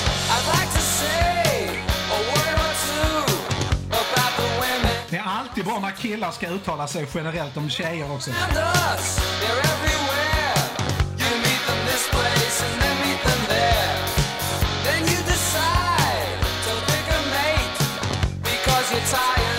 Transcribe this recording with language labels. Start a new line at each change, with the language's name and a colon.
English: I'd like to say a word or two about the women.
Swedish: Det är alltid bra när killar ska uttala sig generellt om tjejer också.
English: They're everywhere. You meet them this place and then meet them there. Then you decide to pick a mate because you're tired.